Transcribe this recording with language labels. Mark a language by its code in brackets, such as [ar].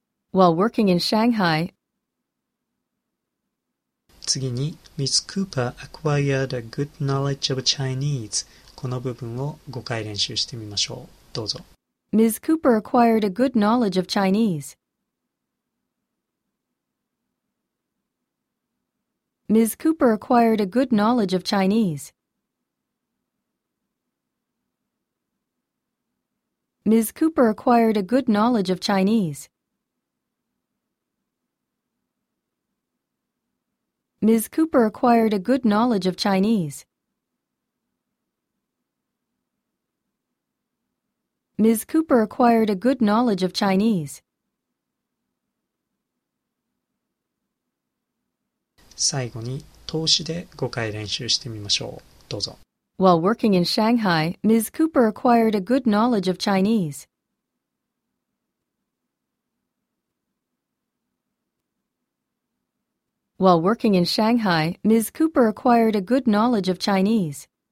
[en] While working in Shanghai. [ja] 次に、Ms. [en] Cooper acquired a good knowledge of Chinese. [ja] この部分を5回練習してみましょう。どうぞ。 [en] Ms. Cooper acquired a good knowledge of Chinese. Ms. Cooper acquired a good knowledge of Chinese. Ms. Cooper acquired a good knowledge of Chinese. Ms. Cooper acquired a good knowledge of Chinese. Ms. Cooper acquired a good knowledge of Chinese. [ja] 最後に通しで5回練習してみましょう。どうぞ。 [en] While working in Shanghai, Ms. Cooper acquired a good knowledge of Chinese. While working in Shanghai, Ms. Cooper acquired a good knowledge of Chinese.